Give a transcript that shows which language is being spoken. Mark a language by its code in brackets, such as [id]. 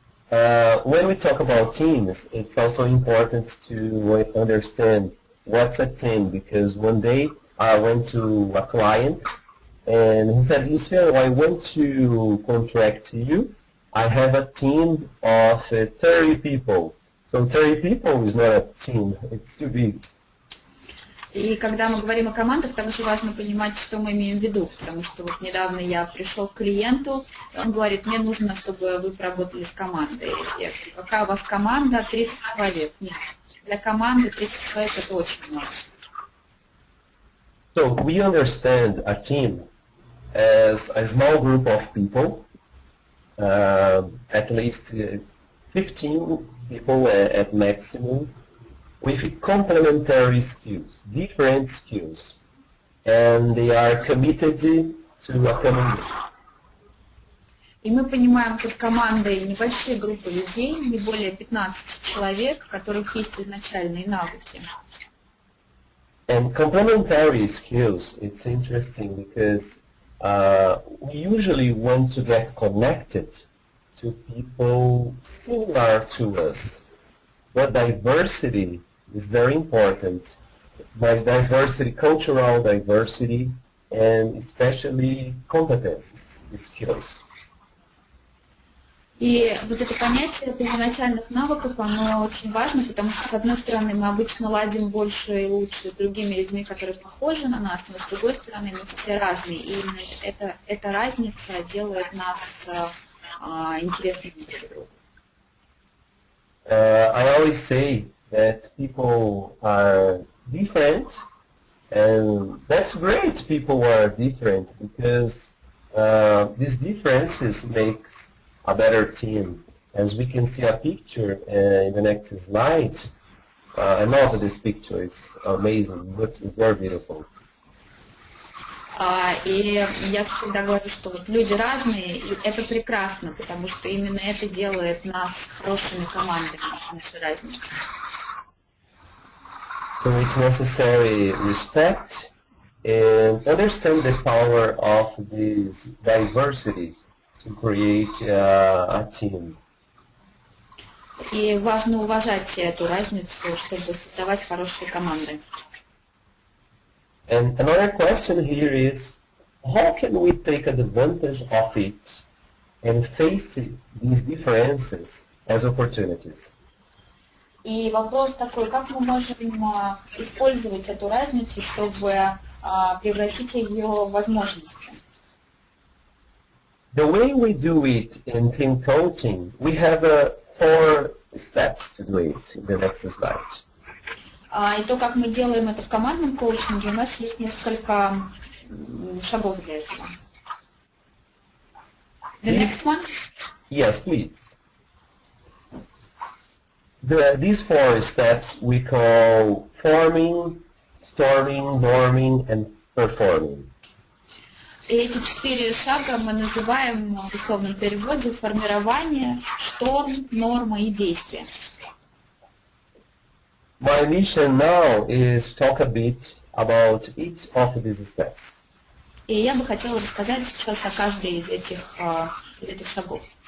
[en] When we talk about teams, it's also important to understand what's a team, because one day I went to a client and he said, Luciano, I want to contract you. I have a team of 30 people. So 30 people is not a team, it's too big. [ru] И когда мы говорим о командах, также важно понимать, что мы имеем в виду, потому что вот недавно я пришел к клиенту, он говорит, мне нужно, чтобы вы поработали с командой. Я говорю, какая у вас команда? 30 человек. Нет, для команды 30 человек это очень много. [en] So we understand a team as a small group of people, at least 15 people at maximum. With complementary skills, different skills, and they are committed to a common goal. [ru] И мы понимаем под командой небольшие группы людей, не более 15 человек, у которых есть изначальные навыки. [en] And complementary skills, it's interesting because we usually want to get connected to people similar to us. what diversity is very important. By diversity, cultural diversity, and especially competences, skills. [ru] И вот это понятие первоначальных навыков, оно очень важно, потому что, с одной стороны, мы обычно ладим больше и лучше с другими людьми, которые похожи на нас, но, с другой стороны, мы все разные, и именно эта разница делает нас интересными друг другу. [en] I always say that people are different, and that's great, people are different, because these differences make a better team. As we can see a picture in the next slide, I love this picture, it's amazing, it's very beautiful. [ru] И я всегда говорю, что вот люди разные, и это прекрасно, потому что именно это делает нас хорошими командами, наша разница. [en] So it's necessary respect and understand the power of this diversity to create a team. [ru] И важно уважать эту разницу, чтобы создавать хорошие команды. [en] And another question here is, how can we take advantage of it and face these differences as opportunities? [ru] И вопрос такой, как мы можем использовать эту разницу, чтобы превратить ее в возможность? [en] The way we do it in team coaching, we have four steps to do it in the next slide. [ru] И то, как мы делаем это в командном коучинге, у нас есть несколько шагов для этого. [en] The next one? Yes, please. These four steps we call forming, storming, norming, and performing. [ru] Эти четыре шага мы называем в условном переводе формирование, шторм, норма и действие. [en] My mission now is to talk a bit about each of these steps. [ru] И я бы хотела рассказать сейчас о каждой из этих шагов.